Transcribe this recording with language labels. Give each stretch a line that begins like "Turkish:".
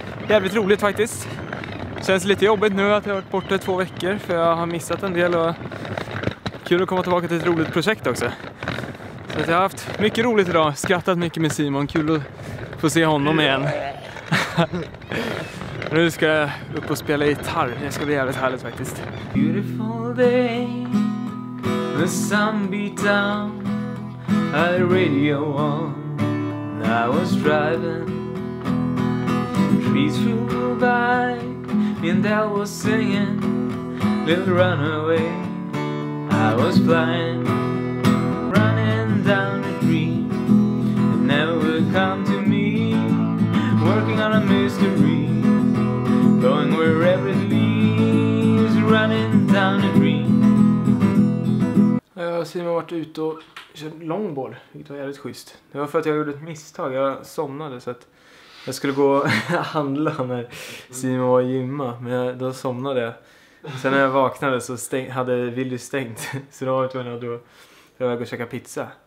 Swedish: Jävligt roligt faktiskt. Känns lite jobbigt nu att jag har varit borta 2 veckor. För jag har missat en del. Och kul att komma tillbaka till ett roligt projekt också. Så att jag har haft mycket roligt idag. Skrattat mycket med Simon. Kul att få se honom igen. Nu ska jag upp och spela gitarr. Det ska bli jävligt härligt faktiskt.
English: Beautiful day, the sun beat down, I radio on, I was driving, trees flew by, and I was singing, little runaway, I was flying, running down a dream, it never would come to me, working on a mystery, going wherever it leaves, running down a dream.
Swedish: Jag har Simon varit ute och kört longboard, vilket var jävligt schysst. Det var för att jag gjorde ett misstag, jag somnade så att jag skulle gå och handla när Simon var i gymma, men då somnade jag. Sen när jag vaknade så hade Willy stängt, så då var jag tvungen att käka pizza.